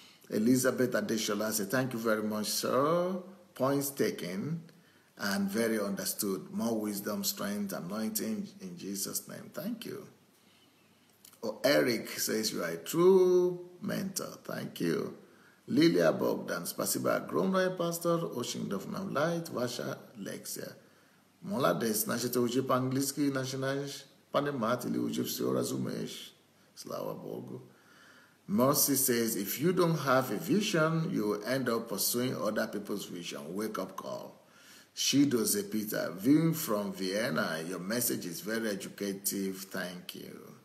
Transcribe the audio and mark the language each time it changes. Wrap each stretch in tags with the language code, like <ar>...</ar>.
<en>Elizabeth Adeshola says, thank you very much, sir. Points taken and very understood. More wisdom, strength, anointing in Jesus' name. Thank you. Oh, Eric says, you are a true mentor. Thank you. Lilia Bogdan,</en> <ru>спасибо огромное,</ru> <en>Pastor.</en> <ru>Очень вдохновляет light, ваша лекция. Молодец, значит, учи по-английски, начинаешь понимать или учи все разумеешь. Слава Богу.</ru> <en>Mercy says, if you don't have a vision, you will end up pursuing other people's vision. Wake up call. She does a Peter. Viewing from Vienna, your message is very educative. Thank you.</en>